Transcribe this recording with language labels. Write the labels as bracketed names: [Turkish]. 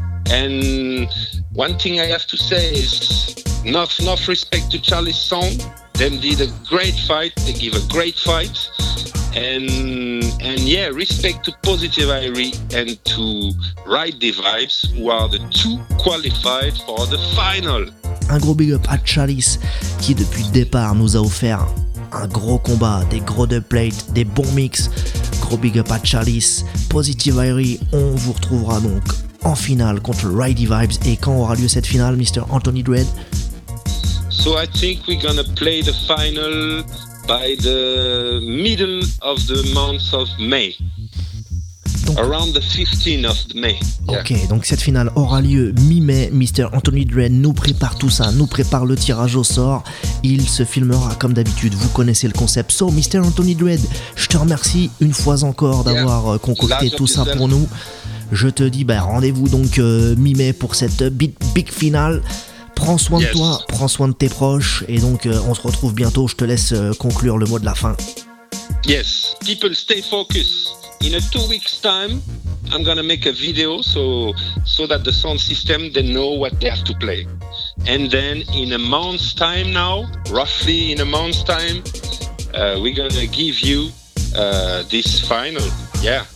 [English] And one thing I have to say is enough respect to Charlie Song. Them did a great fight. They give a great fight. And yeah, respect to Positive Harry and to Ride the Vibes, who are the two qualified for the final. [French] Un gros big up à Chalice qui depuis le départ nous a offert un gros combat, des gros dubplates, des bons mix. Gros big up à Chalice, Positive Harry, on vous retrouvera donc en finale contre Ridey Vibes. Et quand aura lieu cette finale, Mr. Anthony Dread? [English] So I think we're gonna play the final by the middle of the month of May. Donc, around the 15th of May. [French] Ok, yeah. Donc cette finale aura lieu mi-mai. Mr. Anthony Dread nous prépare tout ça, nous prépare le tirage au sort. Il se filmera comme d'habitude, vous connaissez le concept. So, Mr. Anthony Dread, je te remercie une fois encore d'avoir concocté tout ça pour nous. Je te dis rendez-vous donc mi-mai pour cette big finale. Prends soin de toi, prends soin de tes proches. Et donc on se retrouve bientôt. Je te laisse conclure le mot de la fin. [English] Yes, people stay focused. In a 2 weeks time, I'm gonna make a video so that the sound system they know what they have to play. And then in a month's time now, roughly in a month's time, we're gonna give you this final. Yeah.